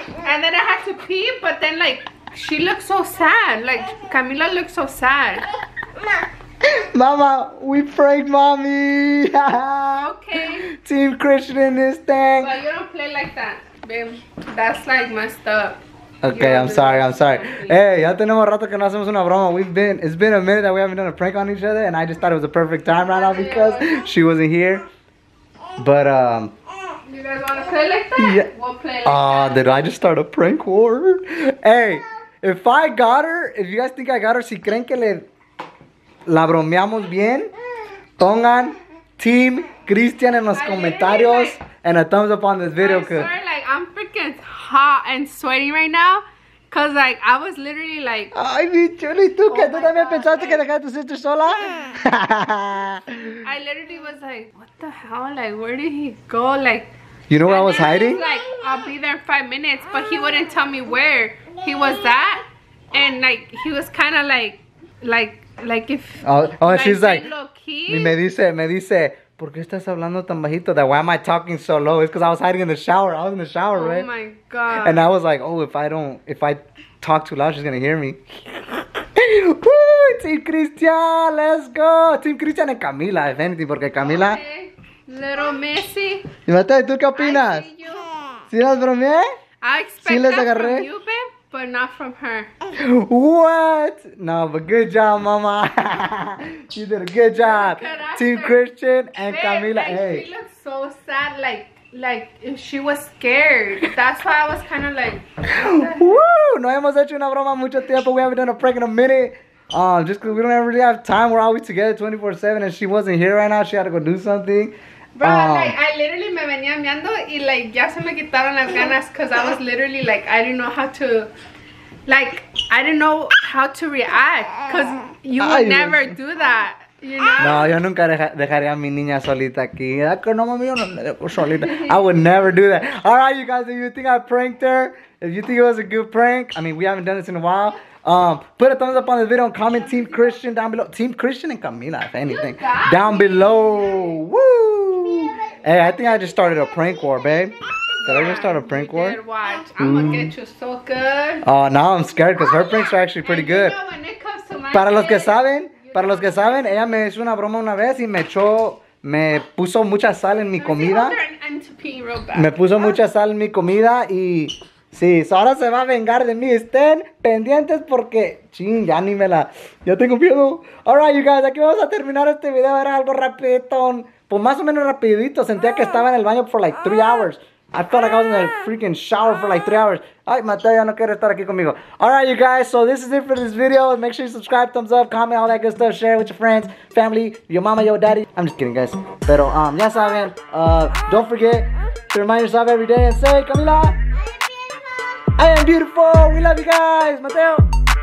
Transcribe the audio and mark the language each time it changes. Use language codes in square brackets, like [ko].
[en] And then I had to pee. But then, like, she looked so sad. Like, Camila looked so sad. Mama, we prayed mommy. Okay. Team Christian in this thing. But you don't play like that, babe. That's, like, messed up. Okay, I'm sorry. [es] Hey, ya tenemos rato que no hacemos una broma. [en] It's been a minute that we haven't done a prank on each other, and I just thought it was the perfect time right now because she wasn't here. But, you guys want to play like that? Yeah. We'll play like that. Did I just start a prank war? Hey, if I got her, if you guys think I got her, [es] si creen que la bromeamos bien, pongan Team Cristian en los comentarios [en] and a thumbs up on this video. I'm sorry, like, I'm freaking hot and sweating right now. Because, like, I was literally like... [es] Ay, mi chuli, tú, que tú también pensaste que dejaste a tu sister sola. [en] I literally was like, what the hell? Like, where did he go? Like, you know where I was hiding? Like, I'll be there 5 minutes, but he wouldn't tell me where he was at. And, like, he was kind of like if... Oh, she's like... [es] Y me dice, ¿por qué estás hablando tan bajito? [en] That why am I talking so low? It's because I was hiding in the shower. I was in the shower, oh right? Oh my God. And I was like, oh, if I talk too loud, she's going to hear me. Woo, Team Cristian, let's go. Team Cristian and Camila, if anything, [es] porque [en] Camila. Okay. Little Messi. [es] ¿Y Mateo, tú qué opinas? ¿Sí las bromeé? [en] I expect [es] les agarré? [en] From you, babe, but not from her. What? No, but good job, mama. You did a good job. Team Christian and babe, Camila. Like, hey. She looked so sad. Like she was scared. That's why I was kind of like. Woo! [es] No hemos hecho una broma mucho tiempo. [en] We haven't done a prank in a minute. Just because we don't really have time. We're always together 24/7. And she wasn't here right now. She had to go do something. [es] Bro, [en] I literally [es] me venía meando. Y like, ya se me quitaron las ganas. [en] Because I was literally like, I didn't know how to. Like, I didn't know how to react, because you would never do that, you know? [es] No, yo nunca dejaría a mi niña solita aquí. No, mami, yo no me dejo solita. [en] I would never do that. All right, you guys, if you think I pranked her, if you think it was a good prank, I mean, we haven't done this in a while, put a thumbs up on this video and comment Team Christian down below. Team Christian and Camila, if anything. Down below. Woo! Hey, I think I just started a prank war, babe. Did I just start a prank war? Watch. I'm gonna get you so good. Oh, now I'm scared because her pranks are actually pretty good. You know, when it comes to my [es] para los que saben, para los que saben, ella me hizo una broma una vez y me puso mucha sal en mi comida. Me puso mucha sal en mi comida y sí, ahora se va a vengar de mí. Estén pendientes porque ching, ya ni me la. Ya tengo miedo. [en] Alright, you guys, [es] aquí vamos a terminar este video. Era algo rapidito. Pues más o menos rapidito. Sentía que estaba en el baño [en] for like 3 hours. I felt like I was in a freaking shower for like 3 hours. [es] Ay, Mateo, ya no quiere estar aquí conmigo. [en] All right, you guys. So this is it for this video. Make sure you subscribe, thumbs up, comment, all that good stuff. Share it with your friends, family, your mama, your daddy. I'm just kidding, guys. [es] Pero, ya saben, [en] don't forget to remind yourself every day and say, Camila, I am beautiful. I am beautiful. We love you guys. Mateo.